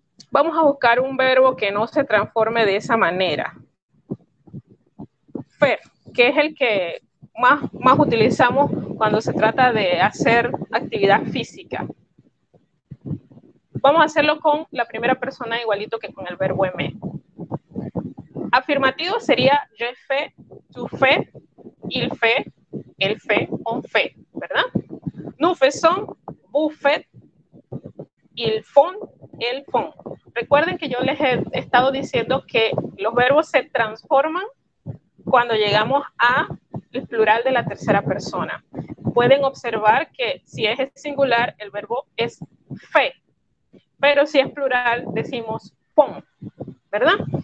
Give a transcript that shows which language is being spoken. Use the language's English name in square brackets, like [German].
[Spanish] Vamos a buscar un verbo que no se transforme de esa manera. Fer, que es el que más utilizamos cuando se trata de hacer actividad física. Vamos a hacerlo con la primera persona igualito que con el verbo aimer. Afirmativo sería [French] je fais, tu fais, il fait, elle fait, on fait, [Spanish] ¿verdad? [French] Nous faisons, vous faites, ils font, elles font. [Spanish] Recuerden que yo les he estado diciendo que los verbos se transforman cuando llegamos al plural de la tercera persona. Pueden observar que si es singular, el verbo es fait. Pero si es plural, decimos font, ¿verdad?